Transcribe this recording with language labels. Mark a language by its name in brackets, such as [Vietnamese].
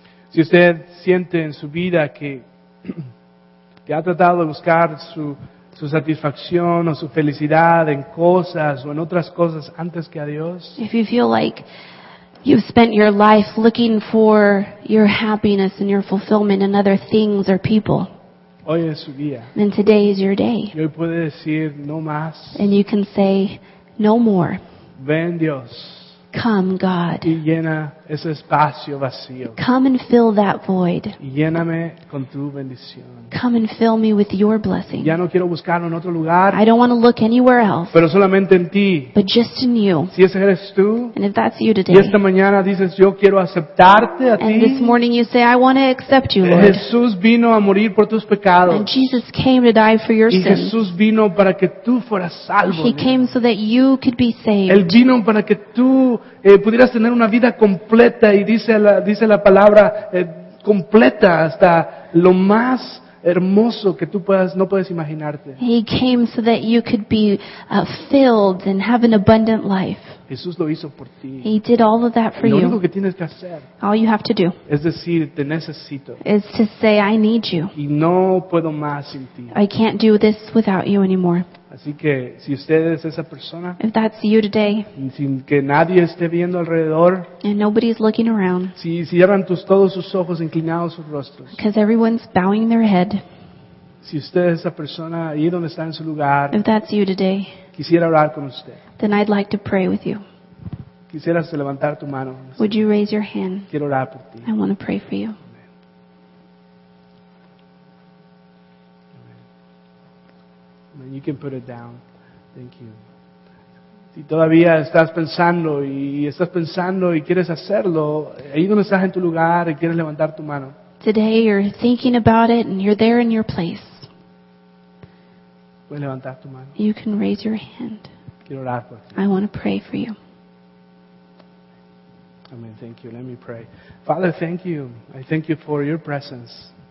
[Spanish] Si usted siente en su vida que ha tratado de buscar su satisfacción o su felicidad en cosas o en otras cosas antes que a Dios. [English] If you feel like you've spent your life looking for your happiness and your fulfillment in other things or people. [Spanish] Hoy es su día. [English] Then today is your day. [Spanish] Y hoy puede decir no más. [English] And you can say no more. [Spanish] Ven Dios. [English] Come, God. [Spanish] Y llena ese espacio vacío. [English] Come and fill that void. [Spanish] Y lléname con tu bendición. [English] Come and fill me with your blessing. [Spanish] Ya no quiero buscarlo en otro lugar. [English] I don't want to look anywhere else. [Spanish] Pero solamente en ti. [English] But just in you. [Spanish] Si ese eres tú. [English] And if that's you today. [Spanish] Y esta mañana dices, yo quiero aceptarte a ti. [English] And this morning you say, I want to accept you, Lord. [Spanish] Jesús vino a morir por tus pecados. [English] And Jesus came to die for your sins. [Spanish] Y Jesús vino para que tú fueras salvo. [English] He came so that you could be saved. [Spanish] Él vino para que tú pudieras tener una vida completa y dice la palabra completa hasta lo más hermoso que tú no puedes imaginarte. [English] He came so that you could be filled and have an abundant life. [Spanish] Jesús lo hizo por ti. [English] He did all of that for you. [Spanish] Lo único que tienes que hacer. [English] All you have to do. [Spanish] Es decir, te necesito. [English] Is to say I need you. [Spanish] Y no puedo más sin ti. [English] I can't do this without you anymore. [Spanish] Así que si usted es esa persona, [English] if that's you today, [Spanish] sin que nadie esté viendo alrededor, [English] and nobody's looking around, [Spanish] si cierran todos sus ojos inclinados sus rostros, [English] because everyone's bowing their head, [Spanish] si usted es esa persona ahí donde está en su lugar, [English] if that's you today, [Spanish] quisiera orar con usted, [English] then I'd like to pray with you. [Spanish] Quisieras levantar tu mano. [English] Would you raise your hand? [Spanish] Quiero orar por ti. [English] I want to pray for you. You can put it down. Thank you. [Spanish] Si todavía estás pensando y quieres hacerlo, ahí donde estás en tu lugar y quieres levantar tu mano. [English] Today you're thinking about it and you're there in your place. [Spanish] Puedes levantar tu mano. [English] You can raise your hand. [Spanish] Quiero orar por ti. [English] I want to pray for you. Amen. Thank you. Let me pray. Father, thank you. I thank you for your presence.